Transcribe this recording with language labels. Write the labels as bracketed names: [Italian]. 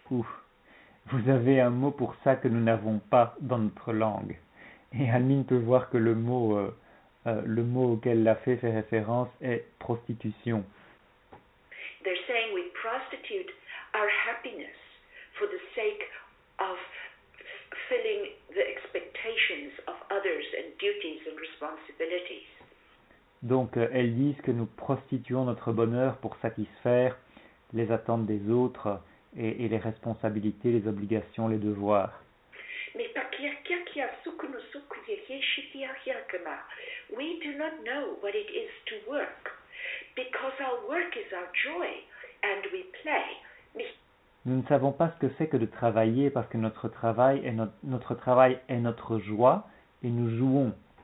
[French] Ouh, vous avez un mot pour ça que nous n'avons pas dans notre langue. Et Almin peut voir que le mot auquel la fée fait référence est prostitution. [English] They're saying we prostitute our happiness for the sake of filling the expectations of others and duties and responsibilities. [French] Donc, elles disent que nous prostituons notre bonheur pour satisfaire les attentes des autres et les responsabilités, les obligations, les devoirs. Mais pas qui a qui a soukounou soukounou yéchitia yakama. [English] We do not know what it is to work, because our work is our joy, and we play. [French] Nous ne savons pas ce que c'est que de travailler, parce que notre travail est notre joie, et nous jouons.